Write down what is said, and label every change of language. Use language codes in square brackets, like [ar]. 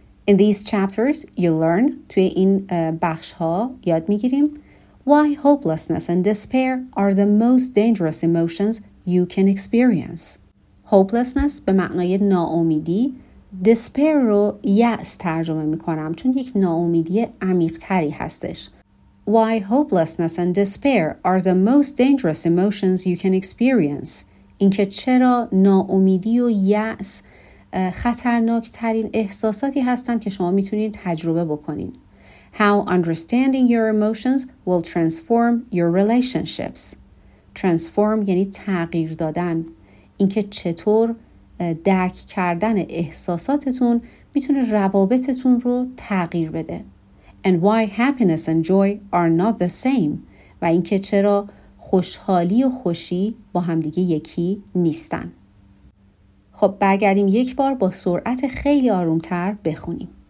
[en] In these chapters you learn [fa] توی این بخش ها یاد میگیریم [en] why hopelessness and despair are the most dangerous emotions you can experience. [fa] Hopelessness به معنای ناامیدی despair رو یأس ترجمه میکنم چون یک ناامیدی عمیق تری هستش. [en] Why hopelessness and despair are the most dangerous emotions you can experience. [fa] اینکه چرا ناامیدی و یأس خطرناک‌ترین احساساتی هستند که شما میتونید تجربه بکنید. [en] How understanding your emotions will transform your relationships. [fa] Transform یعنی تغییر دادن. اینکه چطور درک کردن احساساتتون میتونه روابطتون رو تغییر بده. [en] And why happiness and joy are not the same. [fa] و اینکه چرا خوشحالی و خوشی با همدیگه یکی نیستن. خب برگردیم یک بار با سرعت خیلی آرومتر بخونیم.